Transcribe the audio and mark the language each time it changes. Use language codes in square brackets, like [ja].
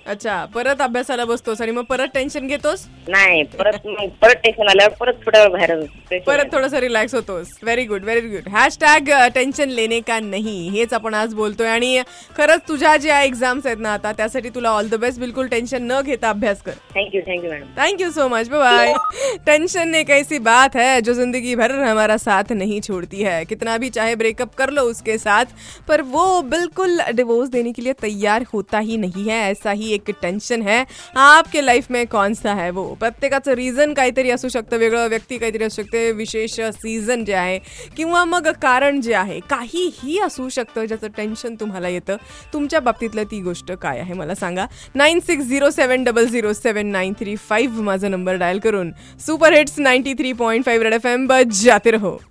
[mr] अच्छा, परत अभ्यासाला बसतोस आणि मग परत टेन्शन घेतोस? नाही, परत टेन्शन आल्यावर परत थोड्या बाहेर, परत थोडासा relax होतोस। Very good, very good. Hashtag [hi] tension लेने का नाही [mr] हेच आपण आज बोलतोय। आणि खरंच तुझ्या ज्या एक्झाम्स आहेत ना आता, त्यासाठी तुला ऑल द बेस्ट। बिलकुल टेन्शन न घेता अभ्यास कर। Thank you, thank you madam, thank you so much, bye. [hi] Tension एक ऐसी बात है जो जिंदगी भर हमारा साथ नहीं छोड़ती है। कितना भी चाहे ब्रेकअप कर लो उसके साथ, पर वो बिल्कुल डिवोर्स देने के लिए तैयार होता ही नहीं है। ऐसा ही एक टेन्शन है आपके लाइफ में, कौन सा है वो? [mr] प्रत्येकाचं रीजन काहीतरी असू शकतं, वेगळं व्यक्ती काहीतरी असू शकते, विशेष सीझन जे आहे, किंवा मग कारण जे आहे, काहीही असू शकतं ज्याचं टेन्शन तुम्हाला येतं। तुमच्या बाबतीतलं ती गोष्ट काय आहे मला सांगा। 9607007935 माझा नंबर डायल करून super hits 93.5 red F M [hi] बजाते रहो।